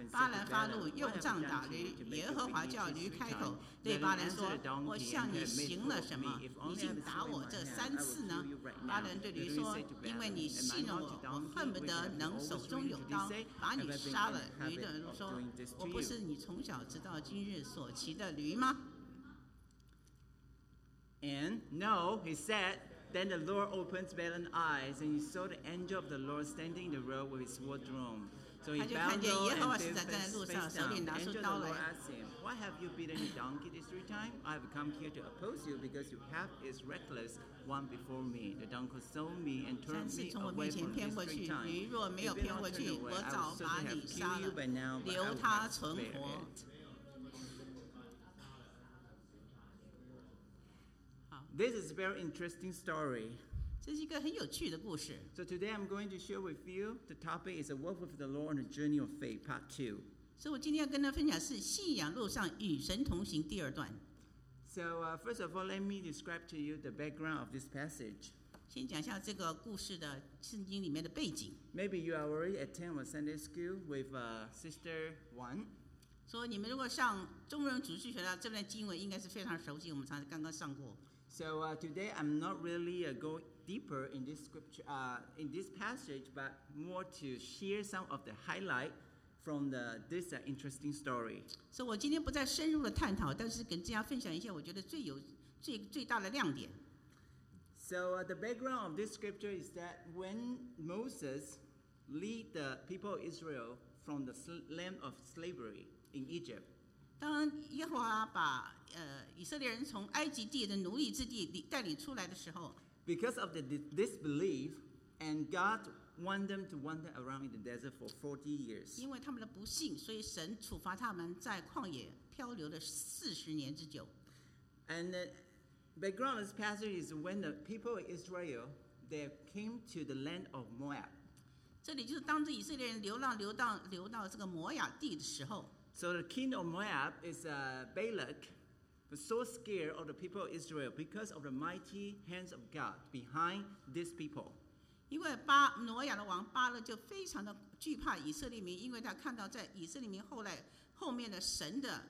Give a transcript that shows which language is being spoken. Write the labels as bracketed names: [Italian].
[Chinese] 巴兰发怒，用杖打驴。耶和华叫驴开口，对巴兰说：“我向你行了什么？你竟打我这三次呢？” 巴兰对驴说：“因为你戏弄我，我恨不得能手中有刀把你杀了。” 驴对驴说：“我不是你从小直到今日所骑的驴吗？” [English] And no, he said. Then the Lord opened Balaam's eyes, and he saw the angel of the Lord standing in the road with his sword drawn. So he bowed low and bowed his face down. The angel of the Lord asked him, Why have you beaten a donkey this 3 times? I have come here to oppose you because your path is reckless, one before me. The donkey stole me and turned me away from this 3 times. If you had not turned away, I would certainly have killed you by now, but I would have spared it. This is a very interesting story. [Chinese] 这是一个很有趣的故事。 [English] So today I'm going to share with you the topic is a walk with the Lord on a journey of faith, part 2. [Chinese] So 我今天要跟大家分享是信仰路上与神同行第二段。 [English] So first of all, let me describe to you the background of this passage. [Chinese] 先讲一下这个故事的圣经里面的背景。 [English] Maybe you are already attend a Sunday school with Sister Wan. [Chinese] 所以你们如果上中文主日学的这段经文应该是非常熟悉，我们才刚刚上过。 [English] So today I'm not really go deeper in this scripture, in this passage, but more to share some of the highlight from the this interesting story. [Chinese] So 我今天不再深入的探讨，但是跟大家分享一下我觉得最大的亮点。 [English] So the background of this scripture is that when Moses lead the people of Israel from the land of slavery. In Egypt. [Chinese] 当耶和华把以色列人从埃及地的奴隶之地带领出来的时候 [English] ，because of the disbelief, and God wanted them to wander around in the desert for 40 years. [Chinese] 因为他们的不信，所以神处罚他们在旷野漂流了四十年之久。 [English] And the background of this passage is when the people of Israel they came to the land of Moab. [Chinese] 这里就是当着以色列人流到这个摩亚地的时候。 [English] So the king of Moab is Balak, was so scared of the people of Israel because of the mighty hands of God behind these people. [Chinese] 因为挪亚的王巴勒就非常的惧怕以色列民，因为他看到在以色列民后面的神。